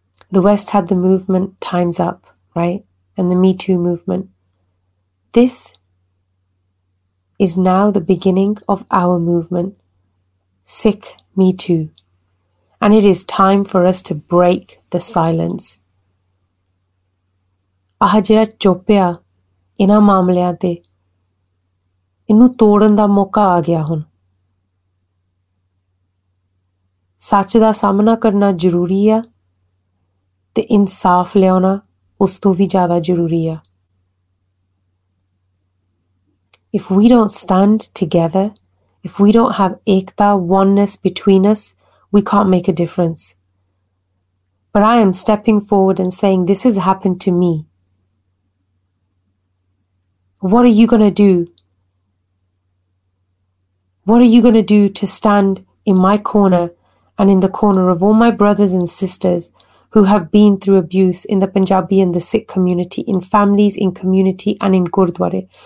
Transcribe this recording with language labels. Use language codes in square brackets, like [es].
[en] The West had the movement Time's Up, right? And the Me Too movement. This is now the beginning of our movement, Sick Me Too. And it is time for us to break the silence. [pa] ਆਹ ਜਿਹੜਾ ਚੋਪਿਆ ਇਹਨਾਂ ਮਾਮਲਿਆਂ 'ਤੇ ਇਹਨੂੰ ਤੋੜਨ ਦਾ ਮੌਕਾ ਆ ਗਿਆ ਹੁਣ ਸੱਚ ਦਾ ਸਾਹਮਣਾ ਕਰਨਾ ਜ਼ਰੂਰੀ ਆ ਅਤੇ ਇਨਸਾਫ ਲਿਆਉਣਾ ਉਸ ਤੋਂ ਵੀ ਜ਼ਿਆਦਾ ਜ਼ਰੂਰੀ ਆ [en] If we don't stand together, if we don't have ekta, oneness between us, we can't make a difference. But I am stepping forward and saying, this has happened to me. What are you going to do? What are you going to do to stand in my corner and in the corner of all my brothers and sisters who have been through abuse in the Punjabi and the Sikh community, in families, in community, and in Gurdwara?